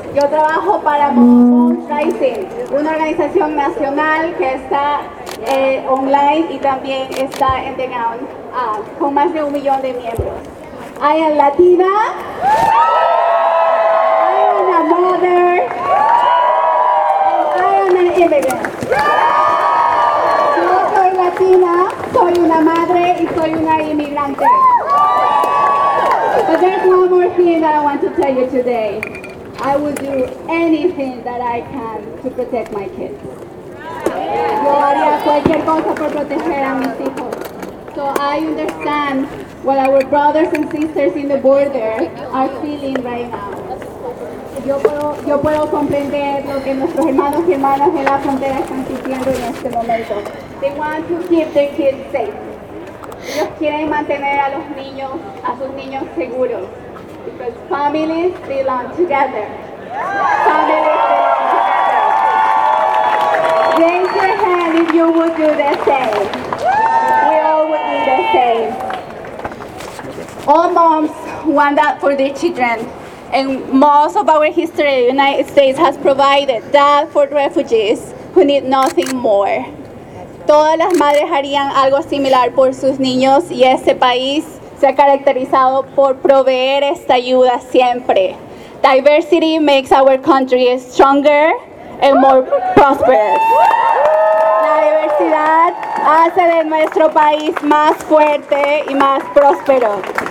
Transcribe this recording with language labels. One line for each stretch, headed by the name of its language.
Spanish: Yo trabajo para Moms Rising, una organización nacional que está online y también está underground con más de 1 million de miembros.
English: I am Latina. I am a mother. And I am an immigrant.
Spanish: Yo soy Latina, soy una madre y soy una inmigrante.
English: But there's one more thing that I want to tell you today. I will do anything that I can to protect my kids.
Spanish: Yo haría cualquier cosa por proteger a mis hijos.
English: So I understand what our brothers and sisters in the border are feeling right now.
Spanish: Yo puedo comprender lo que nuestros hermanos y hermanas en la frontera están sintiendo en este momento.
English: They want to keep their kids safe.
Spanish: Ellos quieren mantener a los niños, a sus niños seguros.
English: Because families belong together. Families belong together. Raise your hand if you would do the same. We all would do the same. All moms want that for their children. And most of our history, the United States has provided that for refugees who need nothing more.
Spanish: Todas las madres harían algo similar por sus niños y este país se ha caracterizado por proveer esta ayuda siempre.
English: Diversity makes our country stronger and more prosperous.
Spanish: La diversidad hace de nuestro país más fuerte y más próspero.